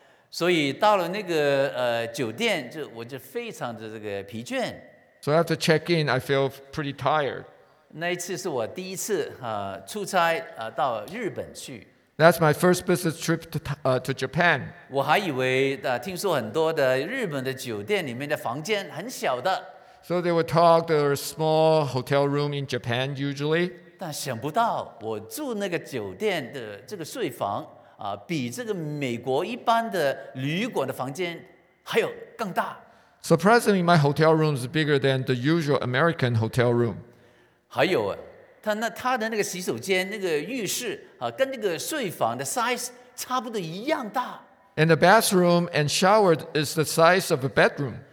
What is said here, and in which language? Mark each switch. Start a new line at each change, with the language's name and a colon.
Chinese: 所以到了那个酒店，就我就非常的这个疲倦。
English: So after check in, I feel pretty tired.
Chinese: 那一次是我第一次出差到日本去。
English: That's my first business trip to Japan.
Chinese: 我还以为听说很多的日本的酒店里面的房间很小的。
English: So they would talk there are small hotel room in Japan usually.
Chinese: 但想不到我住那个酒店的这个睡房比这个美国一般的旅馆的房间还有更大。
English: Surprisingly, my hotel room is bigger than the usual American hotel room.
Chinese: 还有他的那个洗手间那个浴室跟那个睡房的 size 差不多一样大。
English: And the bathroom and shower is the size of a bedroom.